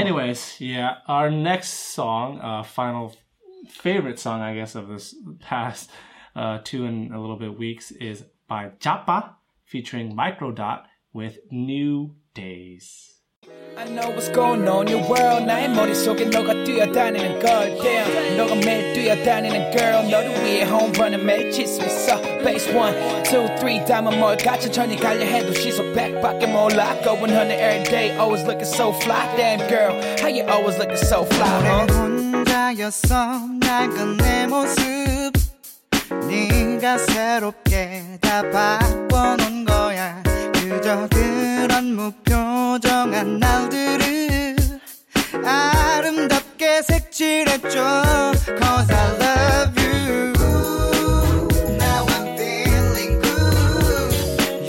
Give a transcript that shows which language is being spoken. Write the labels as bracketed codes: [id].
[en] Anyways, on. Yeah. Our next song, final favorite song, I guess, of this past two and a little bit weeks is by Jappa featuring Micro Dot with New Days. I know what's going on in your world. [ko] 나의 머릿속에 너가 뛰어다니는 걸. Damn, 너가 매일 뛰어다니는 girl. 너를 위해 홈런을 매일 칠 수 있어. Base 1, 2, 3, 다음은 뭘 같이 전이 갈려 해도 시속 100밖에 몰라. [en] Going on every day, always looking so fly. Damn girl, how you always looking so fly, huh? [ko] 혼자였어, 낡은 내 모습. 네가 새롭게 다 바꿔놓은 거야. 그저 그런 무표정한 날들을 아름답게 색칠했죠. [en] Cause I love you. Now I'm feeling good.